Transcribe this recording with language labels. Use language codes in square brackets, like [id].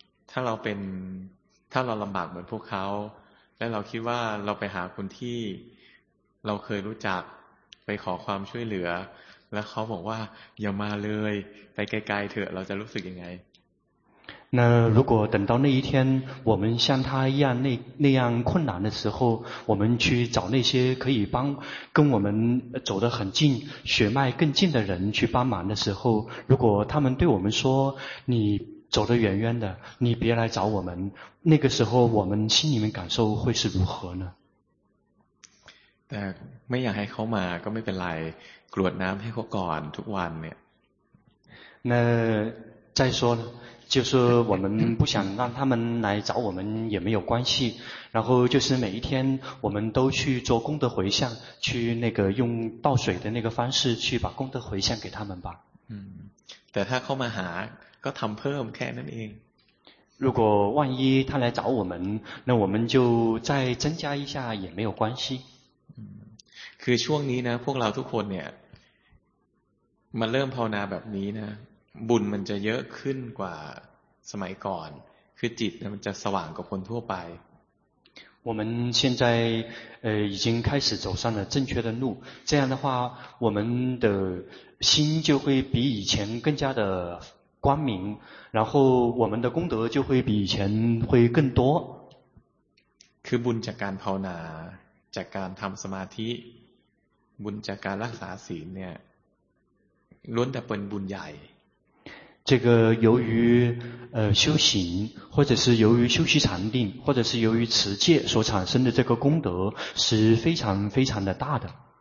[th] ถ้าเราลำบากเหมือนพวกเขาและเราคิดว่าเราไปหาคนที่เราเคยรู้จักไปขอความช่วยเหลือแล้วเขาบอกว่าอย่ามาเลยไปไกลๆเถอะเราจะรู้สึกยังไง [zh] 那如果等到那一天我们像他一样那样困难的时候我们去找那些可以帮跟我们走得很近血脉更近的人去帮忙的时候如果他们对我们说你走得远远的你别来找我们那个时候我们心里面感受会是如何呢但 [th] ไม่อยากให้เขามาก็ไม่เป็นไรกรวดน้ำให้เขาก่อนทุกวันเนี่ย [zh] 那再说就是我们不想让他们来找我们也没有关系然后就是每一天我们都去做功德回向去那个用倒水的那个方式去把功德回向给他们吧 [th] แต่ถ้าเขามาหาก็ทำเพิ่มแค่นั้นเอง [zh] 如果万一他来找我们那我们就再增加一下也没有关系 [th] คือช่วงนี้นะพวกเราทุกคนเนี่ยมาเริ่มภาวนาแบบนี้นะบุญมันจะเยอะขึ้นกว่าสมัยก่อนคือจิตมันจะสว่างกว่าคนทั่วไป [zh] 我们现在已经开始走上了正确的路这样的话我们的心就会比以前更加的光明然后我们的功德就会比以前会更多 [th] คือบุญจากการภาวนาจากการทำสมาธิบุญจากการรักษาศีลเนี่ยล้วนแต่เป็นบุญใหญ่ [zh] 这个由于修行或者是由于修习禅定或者是由于持戒所产生的这个功德是非常非常的大的